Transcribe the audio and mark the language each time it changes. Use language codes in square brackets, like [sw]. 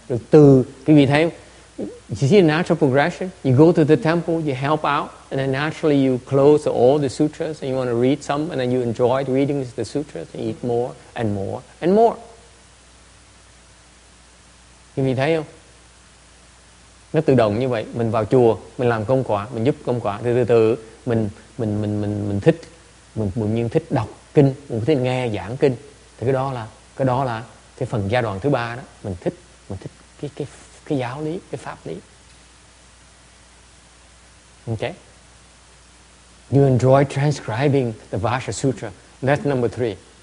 [vi] Từ, quý vị thấy, [en] you see a natural progression? You go to the temple, you help out, and then naturally you close all the sutras, and you want to read some, and then you enjoy reading the sutras, and eat more, and more, and more. [vi] Quý vị thấy không? Nó tự động như vậy, mình vào chùa, mình làm công quả, mình giúp công quả, từ từ từ mình thích, mình bỗng nhiên thích đọc kinh, mình thích nghe giảng kinh, thì cái đó là cái phần giai đoạn thứ ba đó, mình thích cái giáo lý, cái pháp lý. [en] Okay, you enjoy transcribing the Vajra Sutra, that's number three.